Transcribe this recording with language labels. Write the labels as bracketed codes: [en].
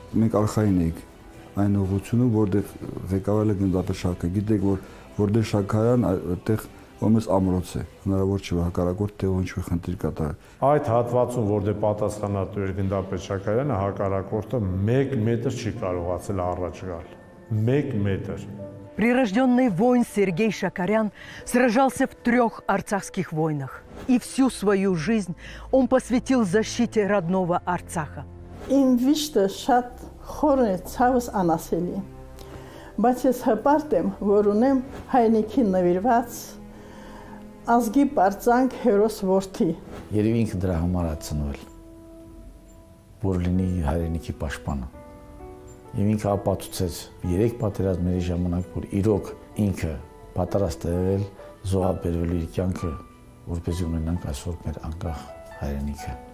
[hy] Մենք արխային էինք այն ուղությունում, որտեղ ղեկավարել է գնդապետ Շաքը։ Գիտեք, որ որտեղ Շաքարյան այդտեղ ոմես ամրոց է, հնարավոր չէ հակառակորդ թե ինչ որ խնդիր կատարել։ Այդ հատվածում, որտեղ պատասխանատու էր գնդապետ Շաքարյանը, հակառակորդը 1 մետր չի կարողացել առաջ գալ։ 1 մետր։ [ru] Прирождённый воин Сергей Шакарян сражался в трёх Арцахских войнах, и всю свою жизнь он посвятил защите родного Арцаха. [hy] Իմ վիշտը շատ խորն է, ցավս անասելի։ Բայց ես հպարտ եմ, որ ունեմ հայնիքին նվիրված ազգի պարծանք հերոս որդի։ Երևի ինքը դրա համար է ծնվել, որ լինի հայրենիքի պաշտպանը։ Եվ ինքը ապացուցեց երեք պատերազմների ժամանակ, որ իրոք ինքը պատրաստ է եղել զոհաբերվել իր կյանքը, որպեսզի ունենանք այսօր մեր անկախ հայրենիքը։